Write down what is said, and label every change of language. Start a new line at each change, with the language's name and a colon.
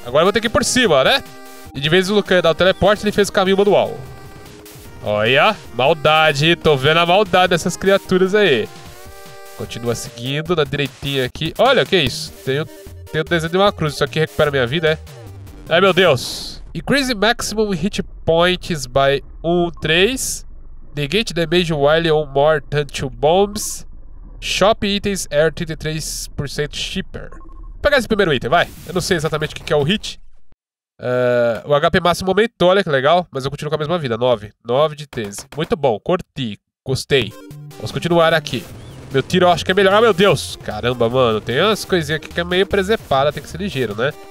Portuguese: Agora eu vou ter que ir por cima, né? E de vez o Lucan dá o teleporte, ele fez o caminho manual. Olha, maldade, tô vendo a maldade dessas criaturas aí. Continua seguindo na direitinha aqui. Olha, o que é isso? Tem o desenho de uma cruz, isso aqui recupera minha vida, é? Ai, meu Deus.
English: Increase maximum hit points by 1-3. Negate damage while on more than 2 bombs. Shop itens are 33% cheaper.
Portuguese: Vou pegar esse primeiro item, vai. Eu não sei exatamente o que é o hit. O HP máximo aumentou, olha que legal. Mas eu continuo com a mesma vida, 9. 9 de 13. Muito bom, curti. Gostei. Vamos continuar aqui. Meu tiro eu acho que é melhor. Ah, meu Deus. Caramba, mano. Tem umas coisinhas aqui que é meio presepada. Tem que ser ligeiro, né?